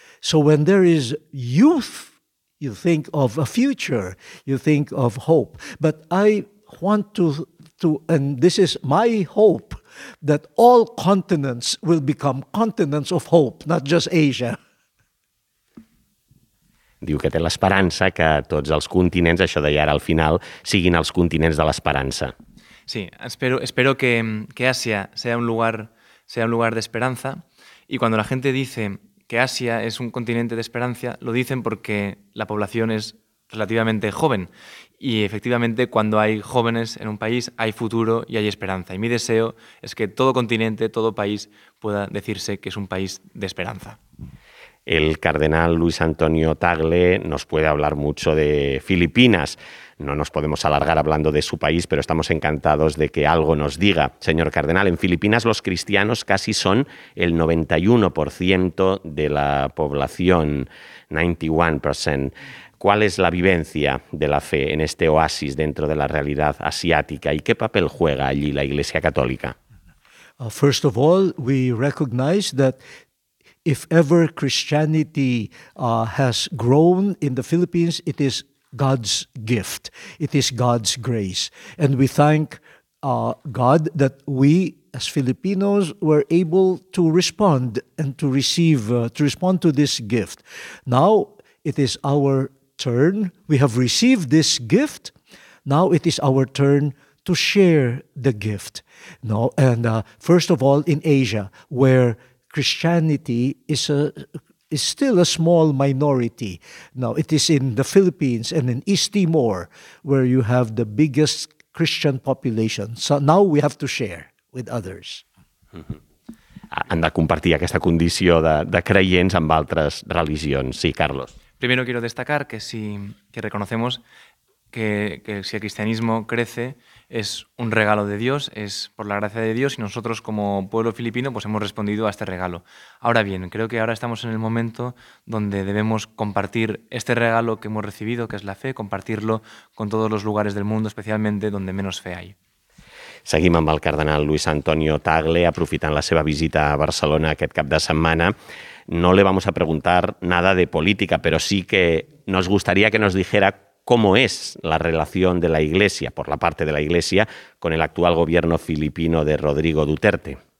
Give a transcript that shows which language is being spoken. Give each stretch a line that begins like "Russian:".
English: So when there is youth, you think of a future, you think of hope. But I want to, and this is my hope, that all continents will become continents of hope, not just Asia.
Catalan: Diu que té l'esperança que tots els continents, això deia ara al final, siguin els continents de l'esperança.
Spanish: Sí, espero que Asia sea un lugar de esperanza. Y cuando la gente dice que Asia es un continente de esperanza, lo dicen porque la población es relativamente joven. Y efectivamente, cuando hay jóvenes en un país, hay futuro y hay esperanza. Y mi deseo es que todo continente, todo país, pueda decirse que es un país de esperanza. El cardenal Luis Antonio Tagle nos puede hablar mucho de Filipinas. No nos podemos alargar hablando de su país, pero estamos encantados de que algo nos diga. Señor cardenal, en Filipinas los cristianos casi son el 91% de la población, 91%. ¿Cuál es la vivencia de la fe en este oasis dentro de la realidad asiática y qué papel juega allí la Iglesia Católica?
English: First of all, we recognize that if ever Christianity has grown in the Philippines, it is God's gift. It is God's grace. And we thank God that we as Filipinos were able to respond and to receive to respond to this gift. Now it is our turn. We have received this gift. Now it is our turn to share the gift. No, and first of all, in Asia, where Christianity is still a small minority. No, it is in the Philippines and in East Timor where you have the biggest Christian population. So now we have to share with others.
Catalan: Han de compartir aquesta condició de creients amb altres religions.
Spanish: Sí, Carlos. Primero quiero destacar que reconocemos que si el cristianismo crece es un regalo de Dios, es por la gracia de Dios y nosotros como pueblo filipino pues hemos respondido a este regalo. Ahora bien, creo que ahora estamos en el momento donde debemos compartir este regalo que hemos recibido, que es la fe, compartirlo con todos los lugares del mundo, especialmente donde menos fe hay.
Catalan: Seguim amb el cardenal Luis Antonio Tagle, aprofitant la seva visita a Barcelona aquest cap de setmana.
Spanish: No le vamos a preguntar nada de política, pero sí que nos gustaría que nos dijera cómo es la relación de la Iglesia, por la parte de la Iglesia, con el actual gobierno filipino de Rodrigo Duterte.